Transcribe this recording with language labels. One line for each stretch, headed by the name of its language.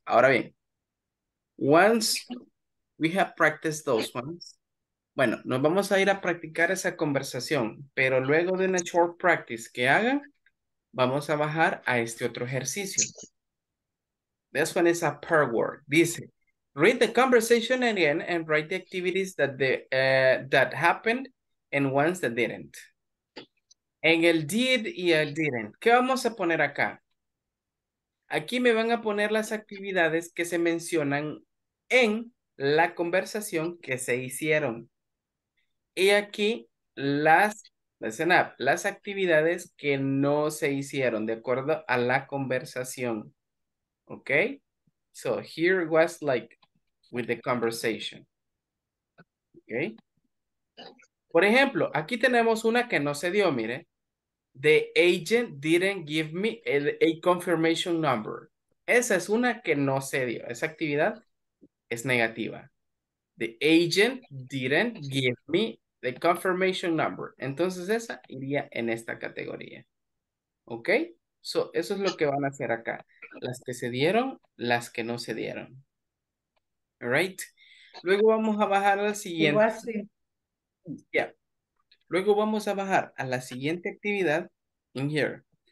Spanish: Ahora bien,
English: once we have practiced those ones,
Spanish: bueno, nos vamos a ir a practicar esa conversación, pero luego de una
English: short practice
Spanish: que hagan, vamos a bajar a este otro ejercicio.
English: This one is a pair word. Dice, read the conversation again and write the activities that that happened and ones that didn't.
Spanish: En el did y el didn't. ¿Qué vamos a poner acá? Aquí me van a poner las actividades que se mencionan en la conversación que se hicieron. Y aquí las,
English: listen up,
Spanish: las actividades que no se hicieron de acuerdo a la conversación. ¿Ok?
English: So here was like with the conversation.
Spanish: ¿Ok? Por ejemplo, aquí tenemos una que no se dio, mire.
English: The agent didn't give me a confirmation number.
Spanish: Esa es una que no se dio. Esa actividad es negativa.
English: The agent didn't give me the confirmation number.
Spanish: Entonces esa iría en esta categoría. ¿Ok? So, eso es lo que van a hacer acá. Las que se dieron, las que no se dieron.
English: All right.
Spanish: Luego vamos a bajar al siguiente. Igual sí.
English: Yeah.
Spanish: Luego vamos a bajar a la siguiente actividad
English: in here.